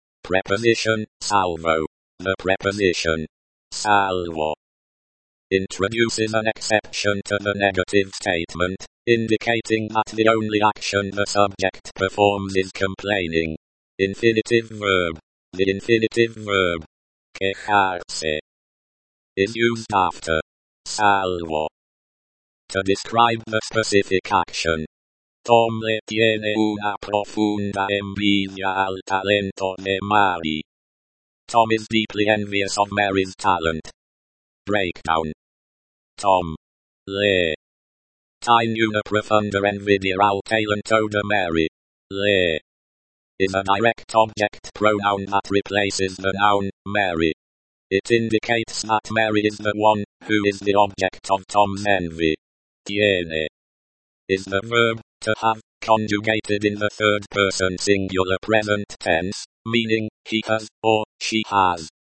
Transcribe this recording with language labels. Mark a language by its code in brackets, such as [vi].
[en] Preposition salvo. The preposition salvo introduces an exception to the negative statement, indicating that the only action the subject performs is complaining. Infinitive verb. The infinitive verb quejarse is used after salvo to describe the specific action. [es] Tom le tiene una profunda envidia al talento de Mary. [en] Tom is deeply envious of Mary's talent. Breakdown. [es] Tom le tiene una profunda envidia al talento de Mary. [en] Le is a direct object pronoun that replaces the noun Mary. It indicates that Mary is the one who is the object of Tom's envy. Tiene is the verb, to have, conjugated in the third person singular present tense, meaning, he has, or, she has.